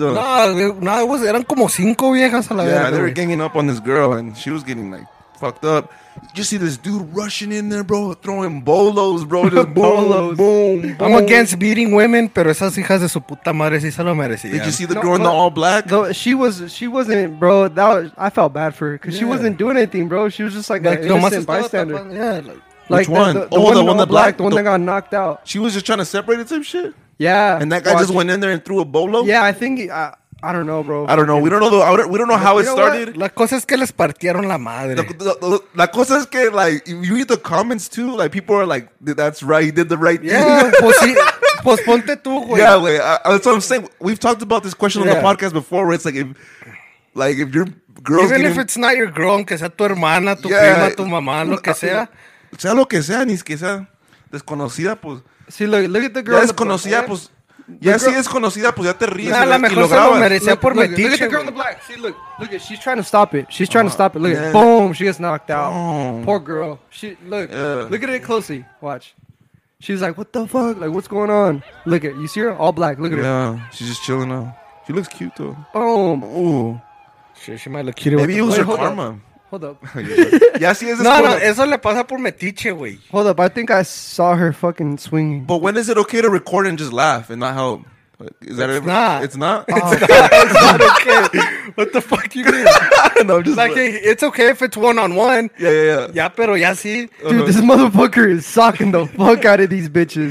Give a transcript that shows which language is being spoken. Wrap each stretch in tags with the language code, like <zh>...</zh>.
<en>No, it was,</en> <es>eran como cinco viejas a la</es> <en>verga. Yeah, they were ganging up on this girl and she was getting like fucked up. You just see this dude rushing in there, bro, throwing bolos, bro. Just boom, bolos. Boom, boom. I'm against beating women,</en> <es>pero esas hijas de su puta madre sí se lo merecían.</es> <en>Did you see the girl in the all black? She wasn't, bro. I felt bad for her because she wasn't doing anything, bro. She was just like an innocent bystander. Which one? The one that got knocked out. She was just trying to separate it, some shit? Yeah. And that guy just went in there and threw a bolo? Yeah, I think... I don't know, bro. I don't know. We don't know how it started.</en> <es>La cosa es que les partieron la madre. La cosa es que,</es> <en>like, you read the comments too. Like, people are like, that's right. He did the right thing.</en> <es>Yeah, pues ponte tú, güey.</es> <en>Yeah, güey. That's what I'm saying. We've talked about this question on the podcast before where it's like, if your girl's even getting, if it's not your girl,</en> <es>aunque sea tu hermana, tu prima, tu mamá, lo que sea. Sea lo que sea, ni es que sea desconocida, pues.</es> <en>Sí, look at the girl.</en> <es>Ya desconocida, pues. Ya si es conocida, pues ya te ríes. Nah, la mejor se lo merecía por metiche.</es> <en>Look at the girl in the black. See, look. Look at, she's trying to stop it. She's trying to stop it. Look at, boom. She gets knocked out. Poor girl. She, look. Look at it closely. Watch. She's like, what the fuck? Like, what's going on? Look at, you see her? All black. Look at her. Yeah, she's just chilling out. She looks cute, though. Boom. Ooh. She might look cuter. Maybe it was her karma. Hold up.</en> <es>Ya si es no, no, eso le pasa por metiche, güey.</es> <en>Hold up, I think I saw her fucking swinging. But when is it okay to record and just laugh and not help? Is that it's ever, not. It's not? It's not. It's not okay. What the fuck you mean? No, I'm just like, hey, it's okay if it's one-on-one. Yeah.</en> <es>Ya, pero ya si.</es> <en>Dude, this motherfucker is socking the fuck out of these bitches.</en>